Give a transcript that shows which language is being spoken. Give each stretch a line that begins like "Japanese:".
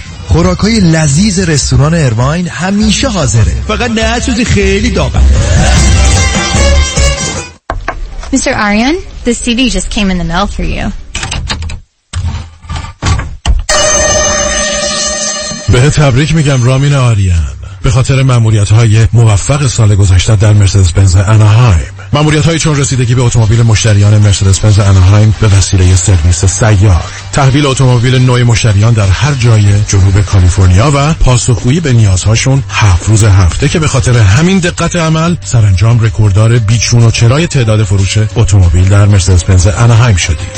Persian: خوراکای لذیذ رستوران ایرواین همیشه حاضره، فقط نه چیزی خیلی داغه.
English: Mr. Aryan, the CD just came in the mail for you.
Persian: به تبریک میگم رامین آریان، به خاطر ماموریت‌های موفق سال گذشته در مرسدس بنز آنهایم. ماموریت‌های چون رسیدگی به اتومبیل مشتریان مرسدس بنز آنهایم به وسیله سرویس سیار، تحویل اتومبیل نوع مشتریان در هر جای جنوب کالیفرنیا و پاسخگویی به نیازهاشون 7 روز هفته، که به خاطر همین دقت عمل سرانجام رکورددار بیچون و چرای تعداد فروش اتومبیل در مرسدس بنز آنهایم شدیم.